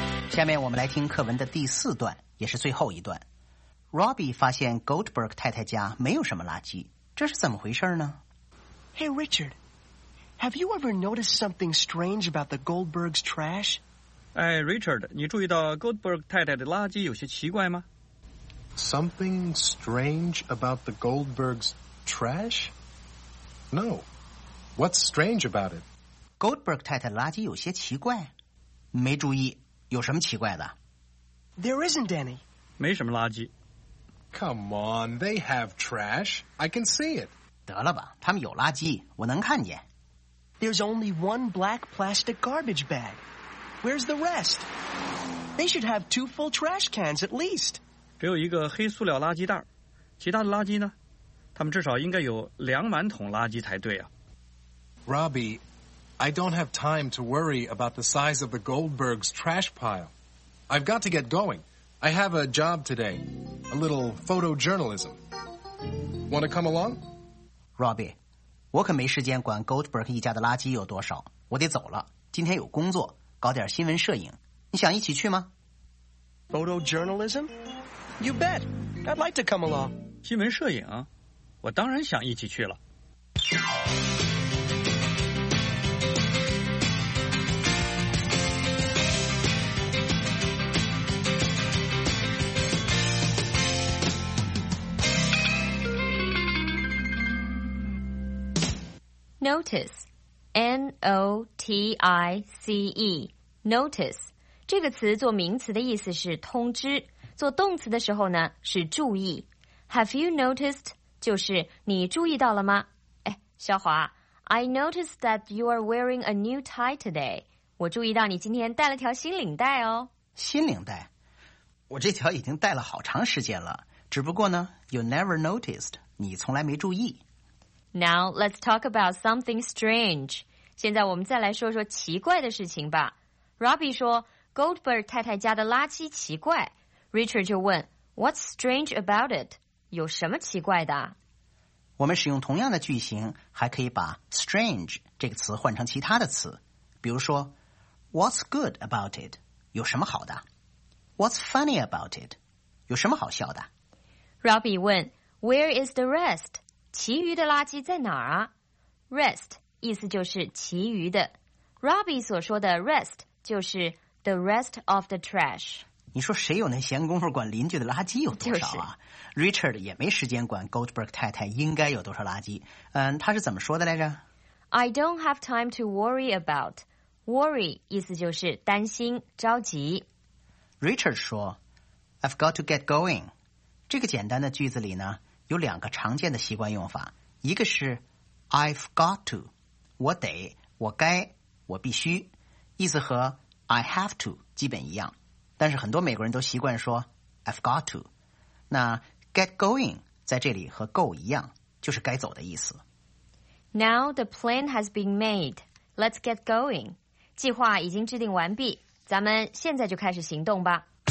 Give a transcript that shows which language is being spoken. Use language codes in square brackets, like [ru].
[zh] 下面我们来听课文的第四段，也是最后一段。Robbie 发现 Goldberg 太太家没有什么垃圾，这是怎么回事呢？ [en] Hey Richard, have you ever noticed something strange about the Goldberg's trash? Hey Richard, [zh] 你注意到 Goldberg 太太的垃圾有些奇怪吗？ [en] Something strange about the Goldberg's trash? No, what's strange about it? [zh] Goldberg 太太的垃圾有些奇怪，没注意，有什么奇怪的？ [en] There isn't any. [zh] 没什么垃圾。 [en] Come on, they have trash. I can see it. [zh] 得了吧，他们有垃圾，我能看见。 [en] There's only one black plastic garbage bag. Where's the rest? They should have two full trash cans at least. [zh] 只有一个黑塑料垃圾袋，其他的垃圾呢？他们至少应该有两满桶垃圾才对啊。 [en] Robbie,I don't have time to worry about the size of the Goldberg's trash pile. I've got to get going. I have a job today. A little photojournalism. Want to come along? [zh] Robbie, 我可没时间管 Goldberg 一家的垃圾有多少。我得走了。今天有工作，搞点新闻摄影。你想一起去吗？ [en] Photojournalism? You bet. I'd like to come along. [zh] 新闻摄影？我当然想一起去了。 [en] Notice, N-O-T-I-C-E, notice. [zh] 这个词做名词的意思是通知，做动词的时候呢是注意。 [en] Have you noticed? [zh] 就是你注意到了吗？ [en] 哎，小华， I noticed that you are wearing a new tie today. [zh] 我注意到你今天戴了条新领带哦。新领带？我这条已经戴了好长时间了，只不过呢， [en] you never noticed, [zh] 你从来没注意。 [en] Now, let's talk about something strange. [zh] 现在我们再来说说奇怪的事情吧。Robbie 说 Goldberg 太太家的垃圾奇怪。 [en] Richard [zh] 就问 [en] What's strange about it? [zh] 有什么奇怪的？我们使用同样的句型，还可以把 strange 这个词换成其他的词。比如说 [en] What's good about it? [zh] 有什么好的？ [en] What's funny about it? [zh] 有什么好笑的？ [en] Robbie [zh] 问 [en] Where is the rest? [zh] 其余的垃圾在哪儿啊？ Rest 意思就是其余的。 [en] Robbie [zh] 所说的 [en] rest [zh] 就是 [en] the rest of the trash。 [zh] 你说谁有那闲工夫管邻居的垃圾有多少啊？就是， Richard 也没时间管 Goldberg 太太应该有多少垃圾。他是怎么说的来着？ [en] I don't have time to worry about. [zh] Worry 意思就是担心着急。 [en] Richard [zh] 说 [en] I've got to get going。 [zh] 这个简单的句子里呢有两个常见的习惯用法，一个是 [en] I've got to， [zh] 我得，我该，我必须，意思和 [en] I have to [zh] 基本一样，但是很多美国人都习惯说 [en] I've got to。 [zh] 那 [en] get going [zh] 在这里和 [en] go [zh] 一样，就是该走的意思。 [en] Now the plan has been made. Let's get going. [zh] 计划已经制定完毕，咱们现在就开始行动吧。